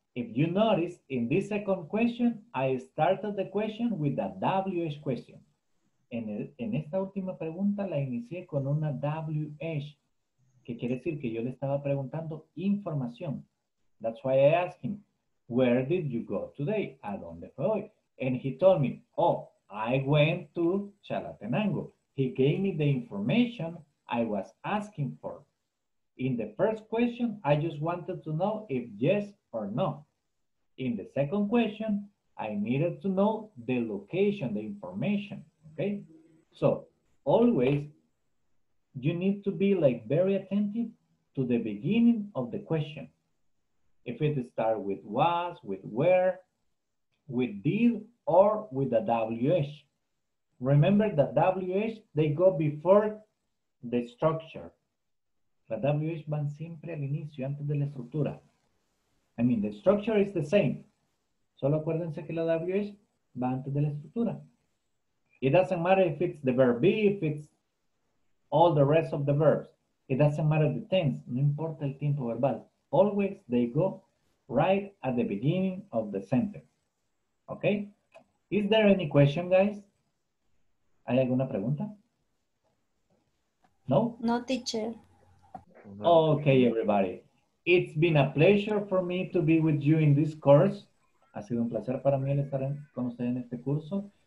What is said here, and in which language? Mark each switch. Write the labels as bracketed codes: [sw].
[en] If you notice, in this second question, I started the question with a WH question. [es] En esta última pregunta la inicié con una WH. Que quiere decir que yo le estaba preguntando información. [en] That's why I asked him, where did you go today? [es] ¿A dónde fue hoy? [en] And he told me, oh, I went to Chalatenango. He gave me the information I was asking for. In the first question, I just wanted to know if yes or no. In the second question, I needed to know the location, the information, okay? So always, you need to be like very attentive to the beginning of the question. If it starts with was, with where, with did, or with a WH. Remember that WH, they go before the structure. [es] The WH van siempre al inicio, antes de la estructura. [en] I mean, the structure is the same. [es] Solo acuérdense que la WH va antes de la estructura. [en] It doesn't matter if it's the verb be, if it's all the rest of the verbs. It doesn't matter the tense. [es] No importa el tiempo verbal. [en] Always they go right at the beginning of the sentence. Okay? Is there any question, guys? [es] ¿Hay alguna pregunta? [en] No? No, teacher. Okay, everybody. It's been a pleasure for me to be with you in this course. [es] Ha sido un placer para mí estar con ustedes en este curso.